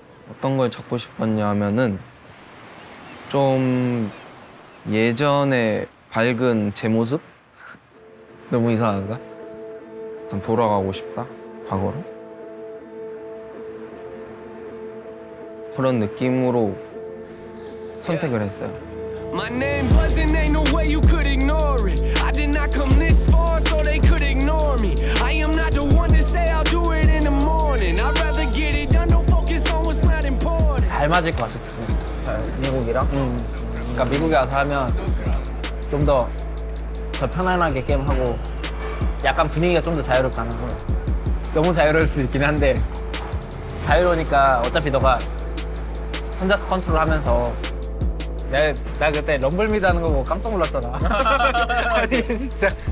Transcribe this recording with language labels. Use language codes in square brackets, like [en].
[ko] 어떤 걸 찾고 싶었냐 하면은 좀 예전에 밝은 제 모습? 너무 이상한가? 좀 돌아가고 싶다, 과거로. 그런 느낌으로 선택을 했어요. [en] My name buzzing, ain't no way you could ignore it. I did not come this far so they could ignore me. I am not the one to say I'll do it in the morning. I'd rather get it done, don't focus on what's not important. [ko] 잘 맞을 것 같아, 미국이랑? 그러니까 미국에 와서 하면 좀 더 더 편안하게 게임하고 약간 분위기가 좀 더 자유롭게 하는 거. 너무 자유로울 수 있긴 한데 자유로우니까 어차피 너가 혼자 컨트롤 하면서 나 그때 럼블미드 하는 거 보고 깜짝 놀랐어, 나. 아니, 진짜.